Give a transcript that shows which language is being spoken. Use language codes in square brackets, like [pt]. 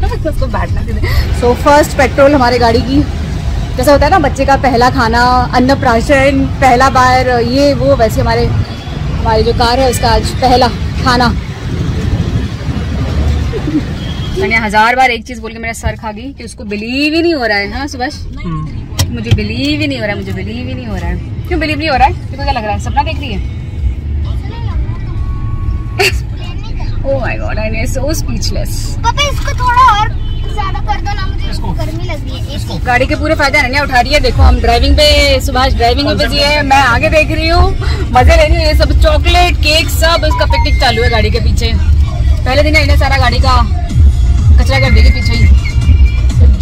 [hi] उसको बैठना. So first petrol हमारे गाड़ी की, जैसा होता है ना बच्चे का पहला खाना, अन्न प्राशन, पहला बार ये वो, वैसे हमारे हमारी जो कार है उसका आज पहला खाना. मैंने हजार बार एक चीज बोल के मेरा सर खा गई कि उसको बिलीव ही नहीं हो रहा है. हाँ सुभाष, मुझे बिलीव ही नहीं हो रहा है, मुझे बिलीव ही नहीं हो रहा है. क्यों बिलीव नहीं हो रहा है? क्या लग रहा है? सपना देख रही है? [en] Oh my God, I'm so speechless. [hi] पापा इसको थोड़ा और ज़्यादा कर दो ना, मुझे गर्मी लग रही है. गाड़ी के पूरे फायदे अनन्या उठा रही है. देखो हम ड्राइविंग पे, सुभाष ड्राइविंग पे जी है, मैं आगे देख रही हूँ, मजे ले रही हूँ. ये सब चॉकलेट केक सब उसका पिकनिक चालू है गाड़ी के पीछे. पहले दिन इन्हें सारा गाड़ी का कचरा कर देगी पीछे.